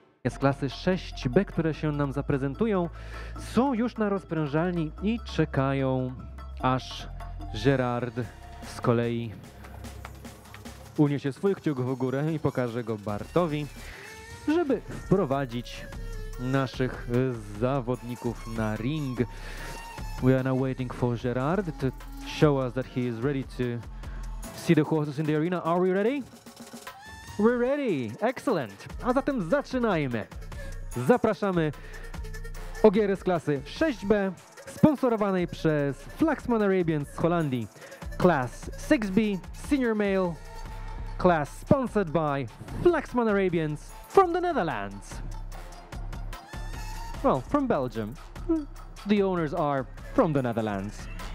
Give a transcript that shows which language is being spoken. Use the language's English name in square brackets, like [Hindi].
[Polish] z klasy 6B, które się nam zaprezentują, są już na rozprężalni i czekają, aż Gerard z kolei uniesie swój kciuk w górę i pokaże go Bartowi, żeby wprowadzić naszych zawodników na ring. [English] We are now waiting for Gerard to show us that he is ready to see the horses in the arena. Are we ready? We're ready! Excellent! [Polish] A zatem zaczynajmy! Zapraszamy ogiery z klasy 6B, sponsorowanej przez Flaxman Arabians z Holandii. [English] Class 6B, Senior Male. Class sponsored by Flaxman Arabians from the Netherlands. Well, from Belgium. The owners are from the Netherlands.